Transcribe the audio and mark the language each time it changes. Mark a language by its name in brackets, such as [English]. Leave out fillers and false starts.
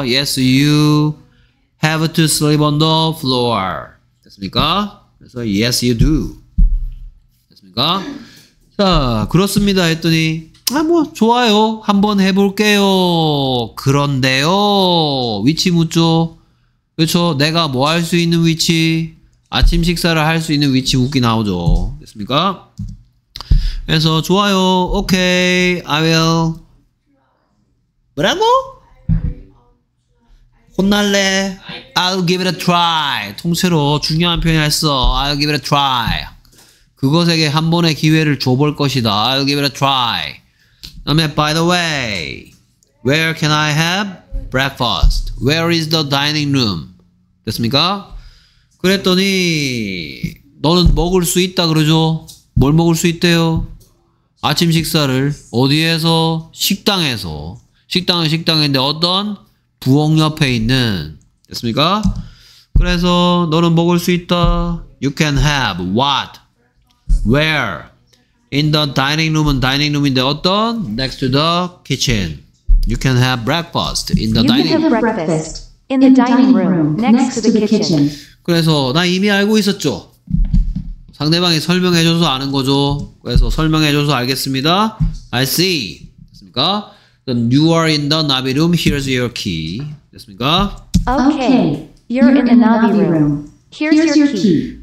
[English] Yes you have to sleep on the floor. [Korean] 됐습니까? 그래서 [English] yes you do. [Korean] 됐습니까? 자, 그렇습니다 했더니 아, 뭐 좋아요. 한번 해볼게요. 그런데요. 위치 묻죠. 그렇죠. 내가 뭐 할 수 있는 위치, 아침 식사를 할 수 있는 위치 묻기 나오죠. 됐습니까? 그래서 좋아요. 오케이. [English] I will. [Korean] 뭐라고? 혼날래. [English] I'll give it a try. [Korean] 통째로 중요한 표현을 했어. [English] I'll give it a try. [Korean] 그것에게 한 번의 기회를 줘볼 것이다. [English] I'll give it a try. 다음에 by the way, where can I have breakfast? Where is the dining room? [Korean] 됐습니까? 그랬더니 너는 먹을 수 있다 그러죠? 뭘 먹을 수 있대요? 아침 식사를 어디에서? 식당에서. 식당은 식당인데 어떤? 부엌 옆에 있는. 됐습니까? 그래서 너는 먹을 수 있다. [English] You can have what? Where? In the dining room은 dining room인데 어떤? Next to the kitchen. You can have breakfast in the dining room. You can have breakfast in the dining room next to the kitchen. [Korean] 그래서 나 이미 알고 있었죠. 상대방이 설명해줘서 아는 거죠. 그래서 설명해줘서 알겠습니다. [English] I see. [Korean] 됐습니까? [English] Then you are in the navi room. Here's your key. [Korean] 됐습니까? [English] Okay. You're in the navi room. Here's your key.